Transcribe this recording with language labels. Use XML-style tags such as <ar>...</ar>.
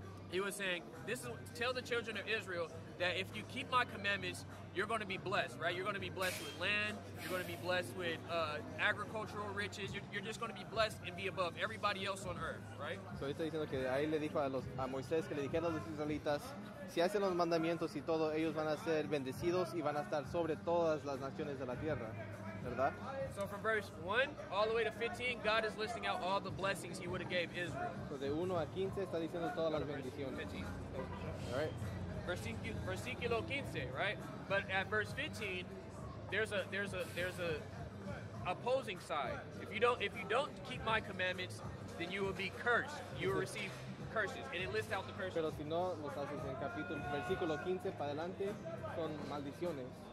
<en>He was saying, tell the children of Israel that if you keep my commandments, you're going to be blessed, right? You're going to be blessed with land. You're going to be blessed with agricultural riches. You're just going to be blessed and be above everybody else on earth, right? So he's saying that</en> <es>ahí le dijo a Moisés que le dijeron a los israelitas, si hacen los mandamientos y todo, ellos van a ser bendecidos y van a estar sobre todas las naciones de la tierra, ¿verdad?</es> <en>So from verse 1 all the way to 15, God is listing out all the blessings he would have gave Israel.</en> <es>So de 1 a 15 está diciendo todas las bendiciones.</es> <en>All right. Versículo 15, right? But at verse 15, there's a opposing side. If you don't keep my commandments, then you will be cursed. You will receive curses. And it lists out the curses.</en> <es>Pero si no los haces en capítulo versículo 15 para adelante son maldiciones.</es>